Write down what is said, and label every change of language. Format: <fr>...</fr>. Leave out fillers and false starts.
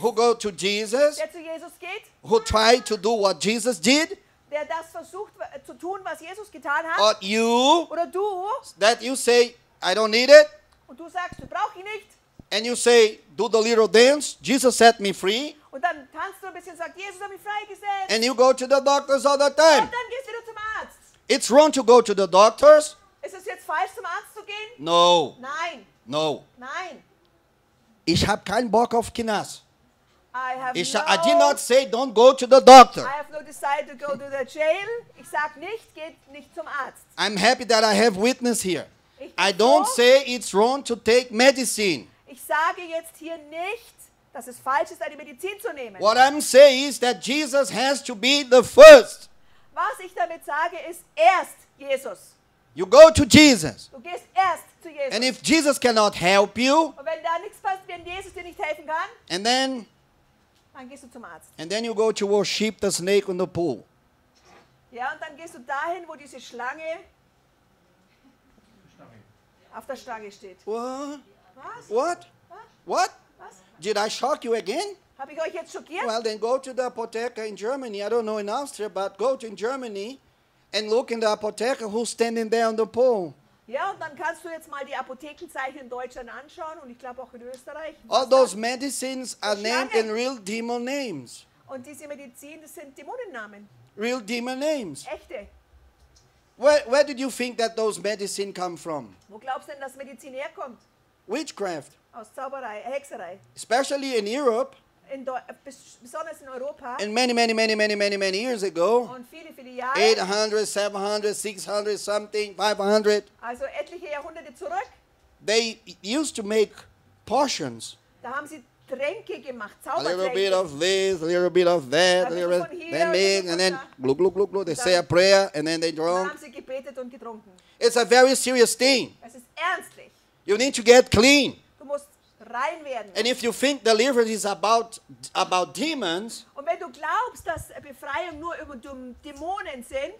<en>who go to Jesus,</en> <de>der zu Jesus geht,</de> <en>who try to do what Jesus did,</en> <de>der das versucht zu tun, was Jesus getan hat.</de> <en>Or you,</en> <de>oder du,</de> <en>that you say, I don't need it.</en> <de>Und du sagst, du brauch ihn nicht.</de> <en>And you say, do the little dance, Jesus set me free.</en> <de>Und dann tanzt du ein bisschen, sagt, Jesus hat mich freigesetzt.</de> <en>And you go to the doctors all the time.</en> <de>Und dann gehst du wieder zum Arzt.</de> <en>It's wrong to go to the doctors.</en> <de>Ist es jetzt falsch, zum Arzt zu gehen?</de> <en>No.</en> <de>Nein.</de> <en>No.</en> <de>Nein. Ich habe keinen Bock auf Kinas.</de> <en>I have</en> <de>ich,</de> <en>no, I did not say don't go to the doctor. I have no desire to go to the jail.</en> <de>Ich sag nicht, geht nicht zum Arzt.</de> <en>I'm happy that I have witness here.</en> <de>Ich</de> <en>I don't so, say it's wrong to take medicine.</en> <de>Ich sage jetzt hier nicht, dass es falsch ist, eine Medizin zu nehmen.</de> <en>What I'm saying is that Jesus has to be the first.</en> <de>Was ich damit sage, ist erst Jesus.</de> <en>You go to Jesus.</en> <de>Du gehst erst zu Jesus.</de> <en>And if Jesus cannot help you,</en> <de>und wenn da nichts passt, wenn Jesus dir nicht helfen kann,</de> <en>and then,</en> <de>dann gehst du zum Arzt.</de> <en>And then you go to worship the snake in the pool.</en> <de>Ja, und dann gehst du dahin, wo diese Schlange auf der Stange steht.</de> <en>What? What? What?</en> <de>Was?</de> <en>Did I shock you again?</en> <de>Habe ich euch jetzt schockiert?</de> <en>Well, then go to the apotheke in Germany. I don't know in Austria, but go to in Germany and look in the apotheke who's standing there on the pole.</en> <de>Ja, und dann kannst du jetzt mal die Apothekenzeichen in Deutschland anschauen und ich glaube auch in Österreich.</de> <en>All those medicines are named in real demon names.</en> <de>Und diese Medizin, das sind Dämonennamen.</de> <en>Real demon names.</en> <de>Echte.</de> <en>Where did you think that those medicine come from?</en> <de>Wo glaubst du denn, dass Medizin herkommt?</de> <en>Witchcraft.</en> <de>Aus Zauberei, Hexerei.</de> <en>Especially in Europe.</en> <de>Besonders in Europa.</de> <en>And many years ago.</en> <de>Und viele Jahre.</de> <en>800, 700, 600 something, 500.</en> <de>Also etliche Jahrhunderte zurück.</de> <en>They used to make potions.</en> <de>Da haben sie Tränke gemacht, Zaubertränke.</de> <en>A little bit of this, a little bit of that, a little bit of that, and then glug, glug, glug, glug, they say a prayer, and then they drunk.</en> <de>Dann haben sie gebetet und getrunken.</de> <en>It's a very serious thing.</en> <de>Es ist ernstlich.</de> <en>You need to get clean.</en> <de>Du musst rein werden.</de> <en>And if you think deliverance is about demons,</en> <de>und wenn du glaubst, dass Befreiung nur über Dämonen sind,</de>